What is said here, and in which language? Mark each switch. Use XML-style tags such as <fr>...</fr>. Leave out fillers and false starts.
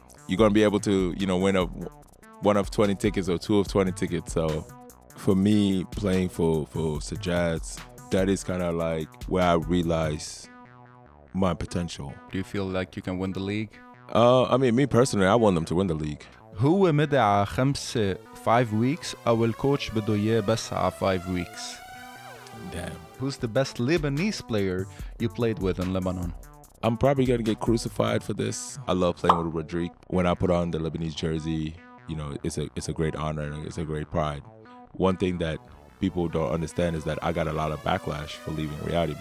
<en>You're going to be able to, you know, win one of 20 tickets or two of 20 tickets. So for me, playing for Sagesse, that is kind of like where I realize my potential. Do you feel like you can win the league? Me personally, I want them to win the league.</en> <ar>هو مدعى</ar> <en>5 weeks</en> <ar>أو الكوتش بدو إياه بس على 5 weeks.</ar> <en>Damn. Who's the best Lebanese player you played with in Lebanon? I'm probably going to get crucified for this. I love playing with Rodrigue. When I put on the Lebanese jersey, you know, it's a great honor and it's a great pride. One thing that people don't understand is that I got a lot of backlash for leaving Rioti.</en>